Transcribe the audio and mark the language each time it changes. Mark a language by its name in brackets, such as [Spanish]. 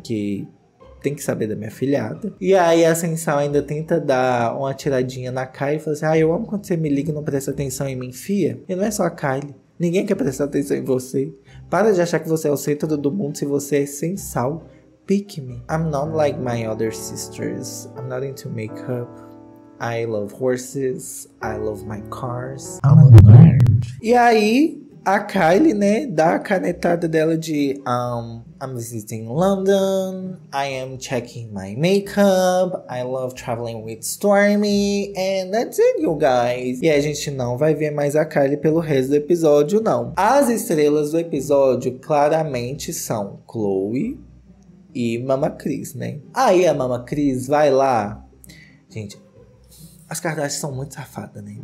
[Portuguese] Que tem que saber da minha filhada. E aí a sem sal ainda tenta dar uma tiradinha na Kylie. E fala assim: ah, eu amo quando você me liga e não presta atenção em mim, fia. E não é só a Kylie. Ninguém quer prestar atenção em você. Para de achar que você é o centro do mundo se você é sem sal. [English] Pick me. I'm not like my other sisters. I'm not into makeup. I love horses. I love my cars. I'm a nerd. [Portuguese] E aí, a Kylie, né, dá a canetada dela de [English] I'm visiting London. I am checking my makeup. I love traveling with Stormy. And that's it, you guys. [Portuguese] E a gente não vai ver mais a Kylie pelo resto do episódio, não. As estrelas do episódio claramente são Chloe e Mama Cris, né? Aí a Mama Cris vai lá. Gente, as Kardashians são muito safadas, né?